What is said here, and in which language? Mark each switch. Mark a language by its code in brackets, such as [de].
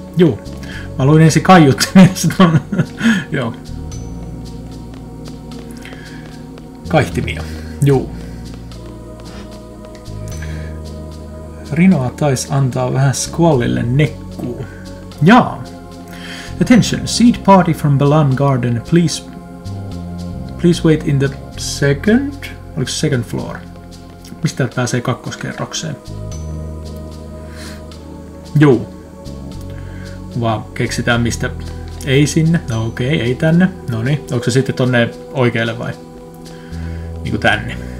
[fi] Juu. Mä luin ensin kaiuttimia, sit on... Joo. Kaihtimia. Juu. Rinoa taisi antaa vähän Squallille nekkuu. Jaa. [en] Attention, seed party from Balan Garden, please wait in the second? [fi] Oliko [en] second floor? [fi] Mistä pääsee kakkoskerrokseen? Juu. Vaan keksitään mistä... Ei sinne. No okei, ei tänne. Noni, onko se sitten tonne oikealle vai? Niinku tänne.